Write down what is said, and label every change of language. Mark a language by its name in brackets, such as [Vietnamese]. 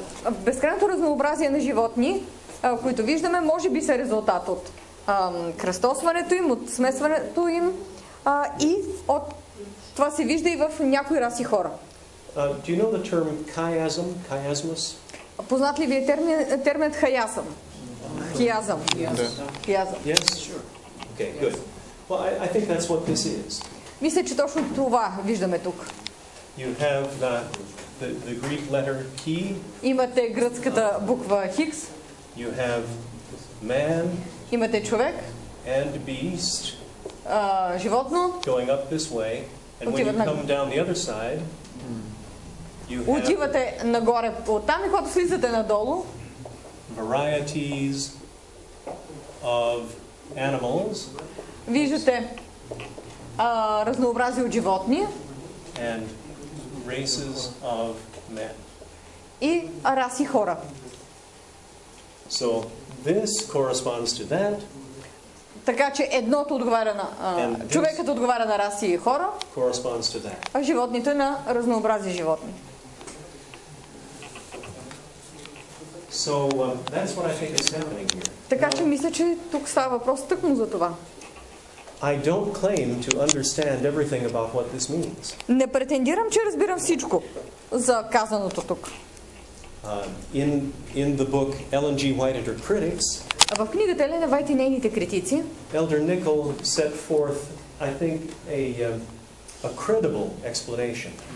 [Bulgarian] Безкрайното разнообразие на животни, които виждаме, може би са резултат от кръстосването им, от смесването им и от това се вижда и в някои раси хора. [English] Do you know the term chiasm, chiasmus? [Bulgarian] Познат ли ви е термин хаясъм? Хиазъм. [English] Yes, sure. Okay, good. Well, I think that's what this is. [Bulgarian] Мисля, че точно това виждаме тук. [English] You have the Greek letter chi. [Bulgarian] Имате гръцката буква хикс. [English] You have man. [Bulgarian] Имате човек. [English] And beast. [Bulgarian] Животно. [English] Going up this way, and when you come down the other side, you have. [Bulgarian] Отивате нагоре оттам и когато слизате надолу. [English] Varieties of animals. [Bulgarian] Виждате разнообразие от животни [English] and races of men. [Bulgarian] И раси хора. [English] So this corresponds to that. [Bulgarian] Така че едното отговаря на човекът отговаря на раси и хора. [English] Corresponds to that. [Bulgarian] А животните на разнообразие животни. [English] So that's what I think is happening here. [Bulgarian] Така че мисля, че тук става въпрос тъкмо за това. [English] I don't claim to understand everything about what this means. [Bulgarian] Не претендирам, че разбирам всичко за казаното тук. [English] In the book Ellen G. White and Her Critics, [Bulgarian] в книгата Елена Вайт и нейните критици, [English] Elder Nickel set forth, I think, a credible explanation.